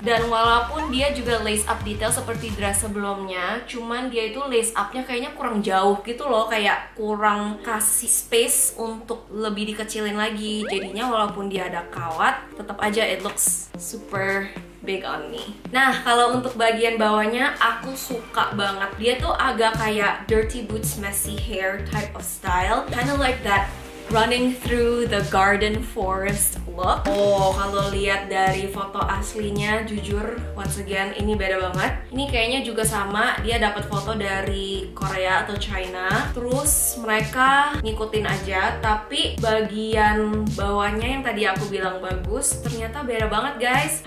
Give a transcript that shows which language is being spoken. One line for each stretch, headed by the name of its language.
Indonesian: Dan walaupun dia juga lace up detail seperti dress sebelumnya, cuman dia itu lace upnya kayaknya kurang jauh gitu loh. Kayak kurang kasih space untuk lebih dikecilin lagi. Jadinya walaupun dia ada kawat, tetap aja
English: it looks super big on me.
Indonesian: Nah, kalau untuk bagian bawahnya, aku suka banget. Dia tuh agak kayak
English: dirty boots, messy hair type of style. Kind of like that running through the garden forest look.
Indonesian: Oh, kalau lihat dari foto aslinya, jujur,
English: once again,
Indonesian: ini beda banget. Ini kayaknya juga sama, dia dapat foto dari Korea atau China. Terus mereka ngikutin aja, tapi bagian bawahnya yang tadi aku bilang bagus, ternyata beda banget, guys.